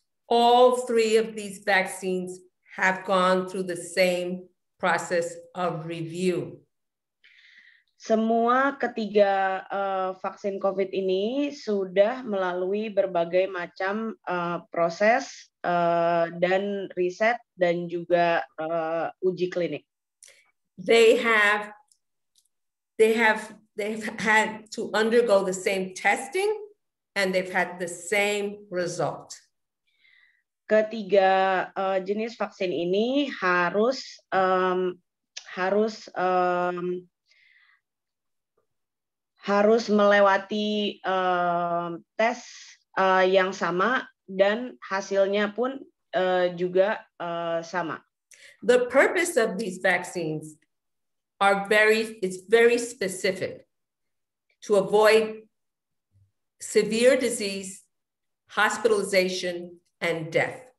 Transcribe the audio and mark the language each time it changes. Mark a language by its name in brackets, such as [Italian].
[English] All three of these vaccines have gone through the same process of review. [Indonesian] Semua ketiga vaksin COVID ini sudah melalui berbagai macam proses dan riset dan juga uji klinik. [English] They've had to undergo the same testing, and they've had the same result. [Indonesian] Ketiga jenis vaksin ini harus harus melewati tes yang sama, dan hasilnya pun juga sama. [English] The purpose of these vaccines. It's very specific to avoid severe disease, hospitalization, and death.